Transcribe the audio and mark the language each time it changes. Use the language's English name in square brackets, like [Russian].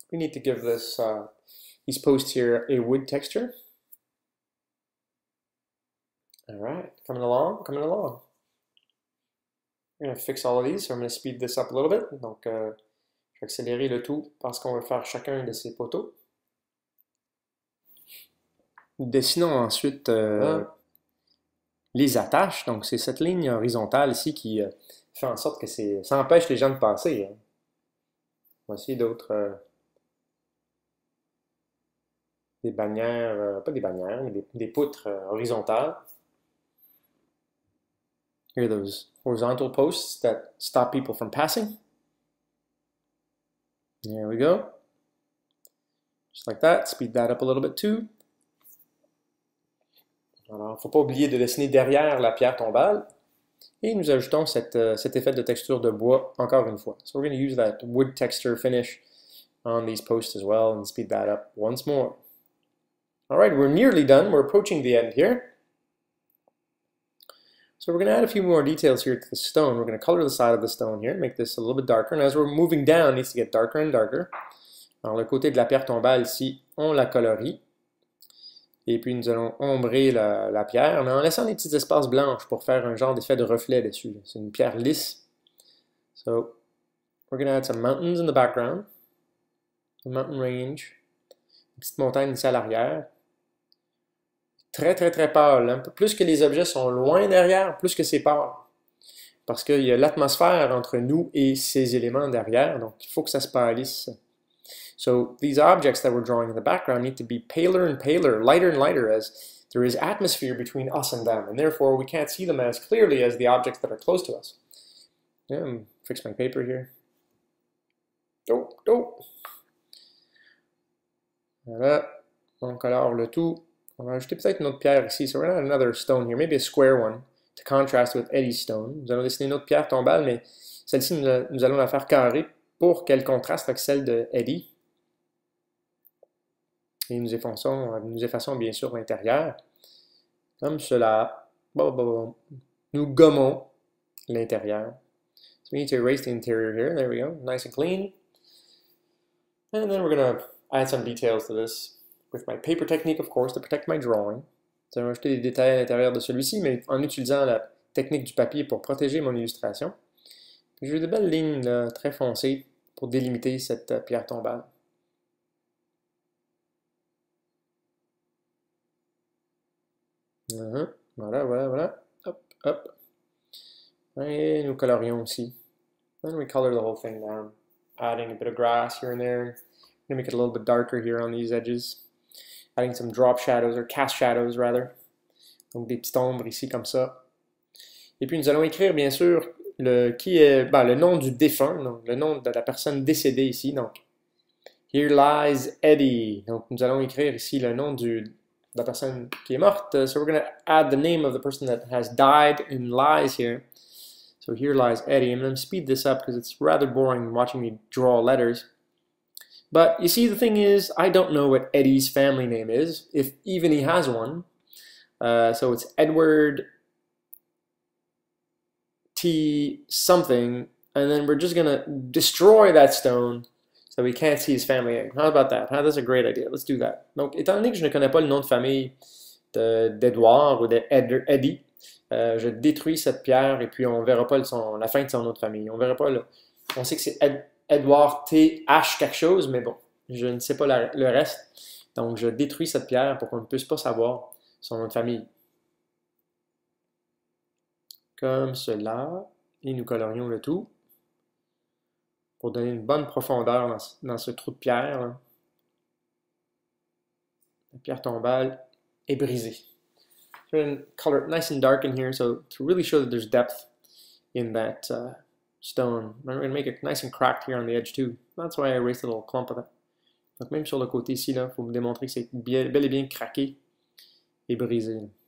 [English] We need to give this, these posts here a wood texture. All right, coming along, coming along. We're going to fix all of these, so I'm going to speed this up a little bit. [French] Donc, je vais accélérer le tout parce qu'on va faire chacun de ces poteaux. Dessinons ensuite les attaches. Donc, c'est cette ligne horizontale ici qui fait en sorte que ça empêche les gens de passer. Hein. Voici d'autres... des bannières, pas des bannières, mais des poutres horizontales. [English] Here are those horizontal posts that stop people from passing. There we go. Just like that. Speed that up a little bit too. [French] Alors, faut pas oublier de dessiner derrière la pierre tombale. Et nous ajoutons cet effet de texture de bois encore une fois. [English] So we're going to use that wood texture finish on these posts as well and speed that up once more. All right, we're nearly done. We're approaching the end here. So we're going to add a few more details here to the stone. We're going to color the side of the stone here, make this a little bit darker. And as we're moving down, it needs to get darker and darker. [French] Alors, le côté de la pierre tombale ici, on la colorie. Et puis, nous allons ombrer la pierre, mais en laissant des petits espaces blanches pour faire un genre d'effet de reflet dessus. C'est une pierre lisse. [English] So, we're going to add some mountains in the background. The mountain range. [French] Une petite montagne ici à l'arrière. Très, très, très pâle. Hein? Plus que les objets sont loin derrière, plus que c'est pâle. Parce qu'il y a l'atmosphère entre nous et ces éléments derrière, donc il faut que ça se pâlisse. [English] So, these objects that we're drawing in the background need to be paler and paler, lighter and lighter, as there is atmosphere between us and them, and therefore we can't see them as clearly as the objects that are close to us. Yeah, I'm fix my paper here. Dope, dope. [French] Voilà. On colore le tout. On va ajouter peut-être une autre pierre ici, [English] so we're gonna add another stone here, maybe a square one, to contrast with Eddie's stone. [French] Nous allons dessiner une autre pierre tombale, mais celle-ci, nous allons la faire carrée pour qu'elle contraste avec celle de Eddie. Et nous effaçons bien sûr l'intérieur, comme cela, bon, bon, bon. Nous gommons l'intérieur. [English] So we need to erase the interior here, there we go, nice and clean. And then we're gonna add some details to this. With my paper technique, of course, to protect my drawing. [French] Je vais ajouter des détails à l'intérieur de celui-ci, mais en utilisant la technique du papier pour protéger mon illustration. Puis j'ai de belles lignes là, très foncées pour délimiter cette pierre tombale. Voilà, voilà, voilà. Hop, hop. Et nous colorions aussi. [English] Then we color the whole thing down, adding a bit of grass here and there. Gonna make it a little bit darker here on these edges. Adding some drop shadows, or cast shadows, rather. [French] Donc, des petites ombres ici, comme ça. Et puis, nous allons écrire, bien sûr, le nom du défunt, donc, le nom de la personne décédée ici. Donc, [English] here lies Eddie. [French] Donc, nous allons écrire ici le nom de la personne qui est morte. [English] So, we're going to add the name of the person that has died and lies here. So, here lies Eddie. I'm going to speed this up because it's rather boring watching me draw letters. But, you see, the thing is, I don't know what Eddie's family name is, if even he has one. So it's Edward T. something, and then we're just gonna destroy that stone so we can't see his family name. How about that? Huh, that's a great idea. Let's do that. [French] Donc, étant donné que je ne connais pas le nom de famille d'Edward ou d'Eddie, je détruis cette pierre et puis on verra pas la fin de son nom de famille. On verra pas, on sait que c'est Ed. Edward T. H. quelque chose, mais bon, je ne sais pas le reste. Donc, je détruis cette pierre pour qu'on ne puisse pas savoir son nom de famille. Comme cela, et nous colorions le tout pour donner une bonne profondeur dans ce trou de pierre. La pierre tombale est brisée. Je vais [English] color it nice and dark in here, so to really show that there's depth in that... stone. I'm going to make it nice and cracked here on the edge too. That's why I erased a little clump of that [French] Donc même sur le côté ici, là, il faut me démontrer que c'est bel et bien craqué et brisé.